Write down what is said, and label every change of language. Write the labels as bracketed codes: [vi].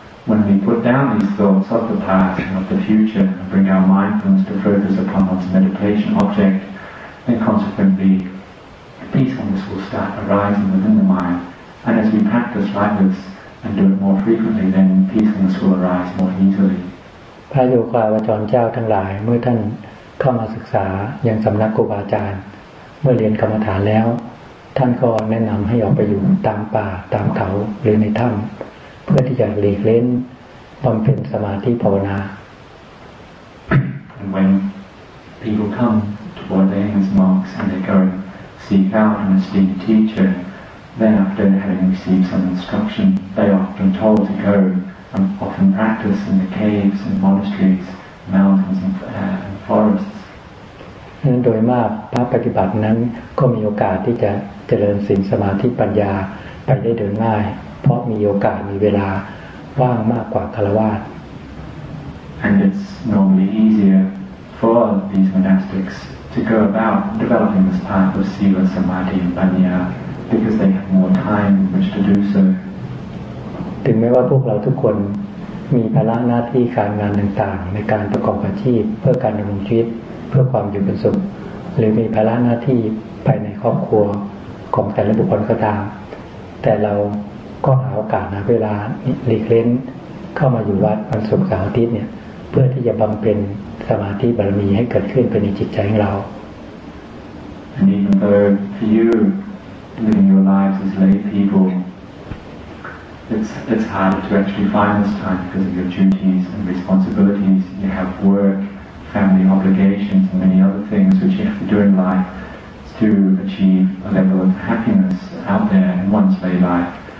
[en] When we put down these thoughts of the past and of the future and bring our mindfulness to focus upon our meditation object then consequently peacefulness will start arising within the mind and as we practice like thisand do it more frequently then peacefulness will arise more easily [th] พระโยคาวจรเจ้าทั้งหลายเมื่อท่านเข้ามาศึกษายังสำนักครูบาอาจารย์เมื่อเรียนกรรมฐานแล้วท่านก็แนะนำให้ออกไปอยู่ตามป่าตามเขาหรือในถ้ำเพื่อที่จะหลีกเล้นบำเพ็ญสมาธิภาวนา [en] And when people come to Bodhisattva's monks and they go seek out an esteemed teacherThen after having received some instruction, they are often told to go and often practice in the caves and monasteries, mountains and forests. [th] นั้นโดยมากพระปฏิบัตินั้นก็มีโอกาสที่จะเจริญศีลสมาธิปัญญาไปได้โดยง่ายเพราะมีโอกาสมีเวลาว่างมากกว่าคฤหัสถ์ [en] And it's normally easier for these monastics to go about developing this path of sila samadhi and panyaBecause they have more time in which to do so. [th] ถึงแม้ว่าพวกเราทุกคนมีภาระหน้าที่การงานต่างๆในการประกอบอาชีพเพื่อการดำรงชีวิตเพื่อความอยู่เป็นสุขหรือมีภาระหน้าที่ภายในครอบครัวของแต่ละบุคคลก็ตามแต่เราก็หาโอกาสหาเวลาหลีกเล้นเข้ามาอยู่วัดวันศุกร์เสาร์อาทิตย์เนี่ยเพื่อที่จะบำเพ็ญสมาธิบารมีให้เกิดขึ้นในจิตใจของเรา [en] And even though for youLiving your lives as lay people, it's harder to actually find this time because of your duties and responsibilities. You have work, family obligations, and many other things which you have to do in life to achieve a level of happiness out there in one's lay life.